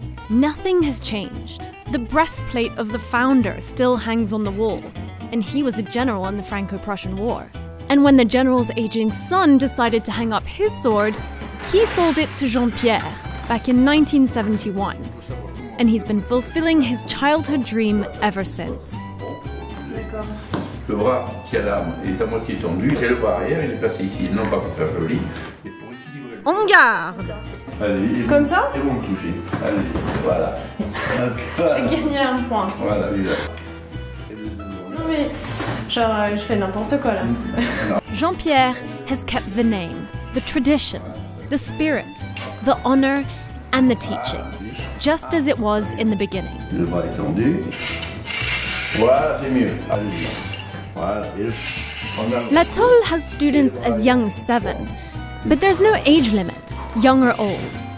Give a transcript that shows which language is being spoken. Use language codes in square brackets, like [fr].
[en] Nothing has changed. The breastplate of the founder still hangs on the wall, and he was a general in the Franco-Prussian War. And when the general's aging son decided to hang up his sword, he sold it to Jean-Pierre back in 1971. And he's been fulfilling his childhood dream ever since. [fr] Le bras qui a l'arme est à moitié tendu, et le bras arrière, il est placé ici, non pas pour faire joli, mais pour équilibrer. On garde. Allez, comme ça. Et vous me touchez. Allez, voilà. J'ai gagné un point. Voilà, déjà. Non mais, genre, je fais n'importe quoi là. [en] Jean-Pierre has kept the name, the tradition, the spirit, the honor, and the teaching, just as it was in the beginning. [fr] Le bras est tendu. Voilà, c'est mieux. Allez. [en] Latolle has students as young as 7, but there's no age limit, young or old.